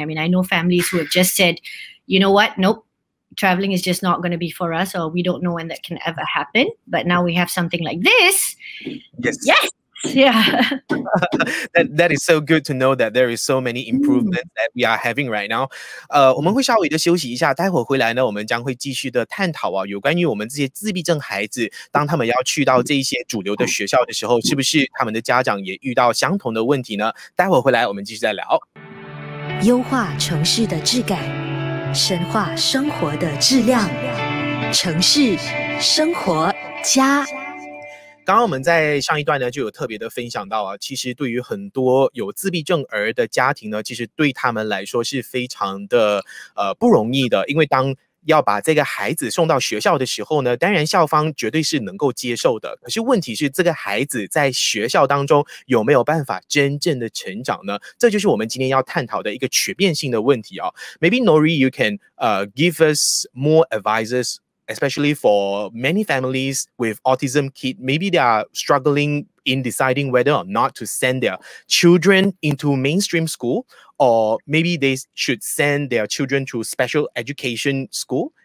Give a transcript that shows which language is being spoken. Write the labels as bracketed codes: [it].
[en] I mean, I know families who have just said, you know what, nope, traveling is just not going to be for us, or we don't know when that can ever happen. But now we have something like this. Yes. Yes. Yeah. that is so good to know that there is so many improvements that we are having right now. [zh] 我们会稍微的休息一下，待会回来呢，我们将会继续的探讨啊，有关于我们这些自闭症孩子，当他们要去到这些主流的学校的时候，是不是他们的家长也遇到相同的问题呢？待会回来我们继续再聊。优化城市的质感，深化生活的质量，城市生活家。刚刚我们在上一段呢就有特别的分享到啊，其实对于很多有自闭症儿的家庭呢，其实对他们来说是非常的不容易的，因为当要把这个孩子送到学校的时候呢，当然校方绝对是能够接受的，可是问题是这个孩子在学校当中有没有办法真正的成长呢？这就是我们今天要探讨的一个全面性的问题啊。 [en] Maybe Nori, you can give us more advices. Especially for many families with autism kids, maybe they are struggling in deciding whether or not to send their children into mainstream school, or maybe they should send their children to special education school.